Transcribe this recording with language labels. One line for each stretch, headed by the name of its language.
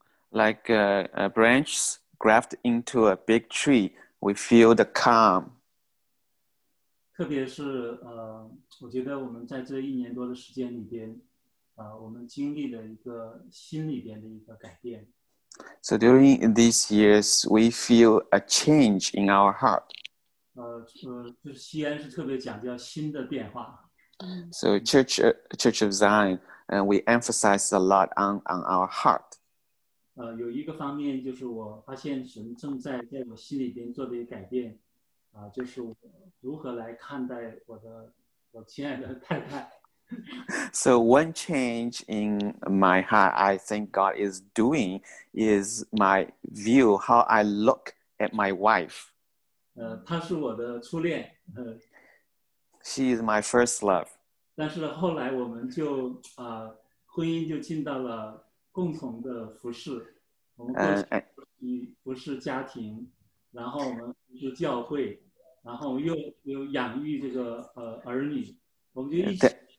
English: Like a branch grafted into a big tree, we feel the calm.
Chinese: 特别是我觉得我们在这一年多的时间里边，我们经历了一个心里边的一个改变。
English: So during these years, we feel a change in our heart.
Chinese: 就是西安是特别讲叫心的变化。
English: So Church of Zion, we emphasize a lot on our heart.
Chinese: 有一个方面就是我发现神正在我心里边做的一个改变，就是如何来看待我亲爱的太太。
English: So one change in my heart, I think God is doing, is my view, how I look at my wife.
Chinese: 她是我的初恋。
English: She is my first love.
Chinese: 但是后来我们就婚姻就进到了共同的服事，我们过去服事家庭，然后我们服事教会，然后又养育这个儿女，我们就一起。